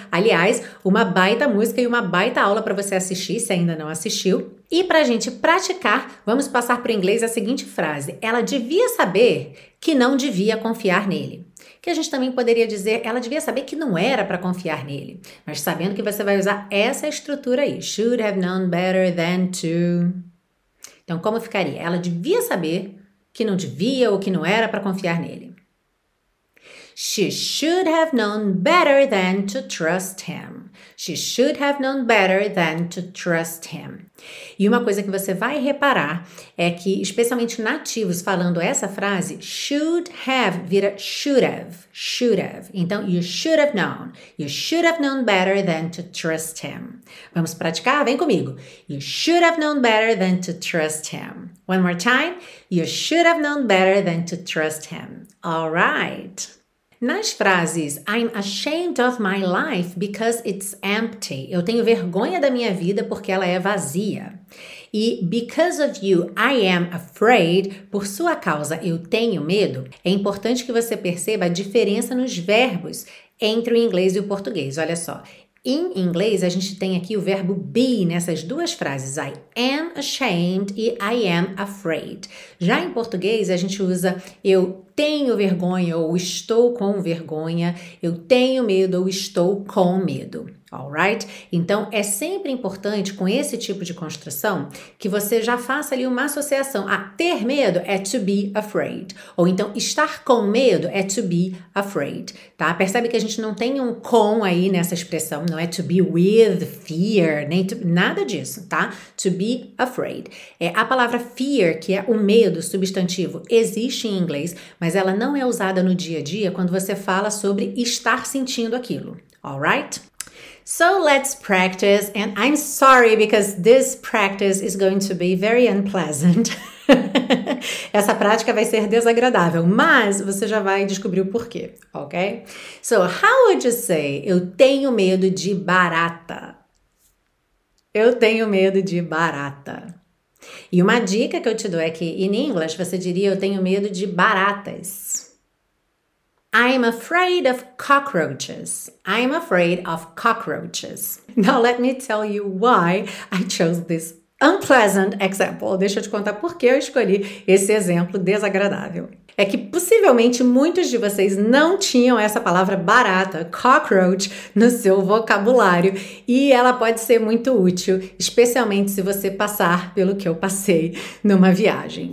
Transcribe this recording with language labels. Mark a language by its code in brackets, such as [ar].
[pt] Aliás, uma baita música e uma baita aula para você assistir, se ainda não assistiu. E para a gente praticar, vamos passar para o inglês a seguinte frase. Ela devia saber que não devia confiar nele. Que a gente também poderia dizer, ela devia saber que não era para confiar nele. Mas sabendo que você vai usar essa estrutura aí. [en] Should have known better than to. [pt] Então, como ficaria? Ela devia saber que não devia ou que não era para confiar nele. [en] She should have known better than to trust him. She should have known better than to trust him. [pt] E uma coisa que você vai reparar é que, especialmente nativos falando essa frase, [en] should have [pt] vira should have. [en] Should have. [pt] Então, [en] you should have known. You should have known better than to trust him. [pt] Vamos praticar? Vem comigo. [en] You should have known better than to trust him. One more time. You should have known better than to trust him. All right. [pt] Nas frases [en] I'm ashamed of my life because it's empty. [pt] Eu tenho vergonha da minha vida porque ela é vazia. [en] E because of you, I am afraid. [pt] Por sua causa, eu tenho medo. É importante que você perceba a diferença nos verbos entre o inglês e o português. Olha só. Em inglês, a gente tem aqui o verbo be nessas duas frases. [en] I am ashamed e I am afraid. [pt] Já em português, a gente usa eu tenho vergonha ou estou com vergonha. Eu tenho medo ou estou com medo. Alright? Então, é sempre importante com esse tipo de construção que você já faça ali uma associação. Ah, ter medo é [en] to be afraid. [pt] Ou então, estar com medo é to be afraid. Tá? Percebe que a gente não tem um com aí nessa expressão. Não é [en] to be with fear, [pt] nem to, nada disso, tá? [en] To be afraid. [pt] É, a palavra fear, que é o medo, substantivo, existe em inglês, mas ela não é usada no dia a dia quando você fala sobre estar sentindo aquilo. [en] Alright? So let's practice, and I'm sorry because this practice is going to be very unpleasant. [pt] Essa prática vai ser desagradável, mas você já vai descobrir o porquê, ok? [en] So how would you say, [pt] eu tenho medo de barata? Eu tenho medo de barata. E uma dica que eu te dou é que, [en] in English, [pt] você diria, eu tenho medo de baratas. [en] I'm afraid of cockroaches. I'm afraid of cockroaches. Now let me tell you why I chose this unpleasant example. [pt] Deixa eu te contar por que eu escolhi esse exemplo desagradável. É que possivelmente muitos de vocês não tinham essa palavra barata, cockroach, no seu vocabulário. E ela pode ser muito útil, especialmente se você passar pelo que eu passei numa viagem.